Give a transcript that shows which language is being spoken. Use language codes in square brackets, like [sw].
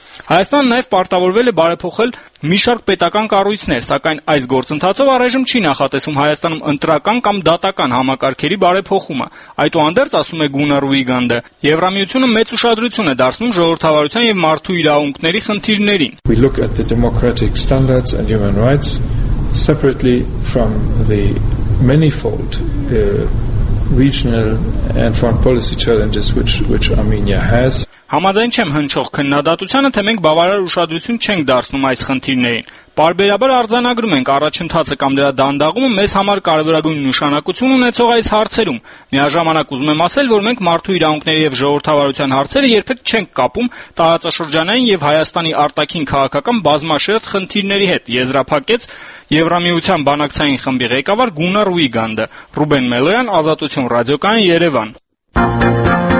[hy] Հայաստանը նաև պարտավորվել է բարեփոխել մի շարք պետական կառույցներ, սակայն այս գործընթացով առայժմ չի նախատեսում Հայաստանում ընտրական կամ դատական համակարգերի բարեփոխումը։ Այդուհանդերձ, ասում է Գունար Ուիգանդը, Եվրամիությունը մեծ ուշադրություն է դարձնում ժողովրդավարության եւ մարդու իրավունքների խնդիրներին։ [en] We look at the democratic standards and human rights separately from the manifold regional and foreign policy challenges which Armenia has. [hy] Համաձայն չեմ հնչող քննադատությանը, թե մենք բավարար ուշադրություն չենք դարձնում այս խնդիրներին։ Պարբերաբար արձանագրում ենք առաջընթացը կամ դրա դանդաղումը մեզ համար կարևորագույն նշանակություն ունեցող այս հարցերում։ Միաժամանակ ուզում եմ ասել, որ մենք մարդու իրավունքների եւ ժողովրդավարության հարցերը երբեք չենք կապում տարածաշրջանային եւ Հայաստանի արտաքին քաղաքական բազմաշերտ խնդիրների հետ, եզրափակեց Եվրամիության բանակցային խմբի ղեկավար Գունար Ուիգանդը։ Ռուբեն Մելոյան, Ազատություն ռադիոկայան, Երևան։